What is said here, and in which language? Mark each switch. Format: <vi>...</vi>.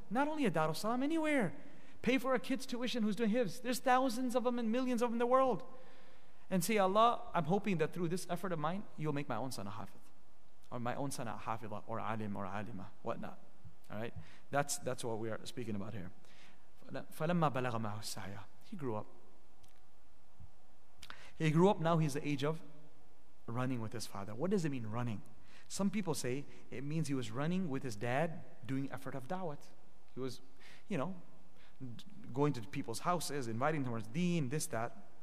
<en>Not only a Darussalam, anywhere. Pay for a kid's tuition who's doing hifz. There's thousands of them and millions of them in the world. And say, Allah, I'm hoping that through this effort of mine, you'll make my own son a hafiz. Or my own son a hafiza, or alim, or alima, whatnot. Alright? That's what we are speaking about here.</en> <ar>فَلَمَّا بَلَغَ مَعُ السَّعْيَ,</ar> <en>he grew up. He grew up, now he's the age of running with his father. What does it mean, running? Some people say it means he was running with his dad, doing effort of da'wat. He was, you know, going to people's houses, inviting towards deen, this, that.</en>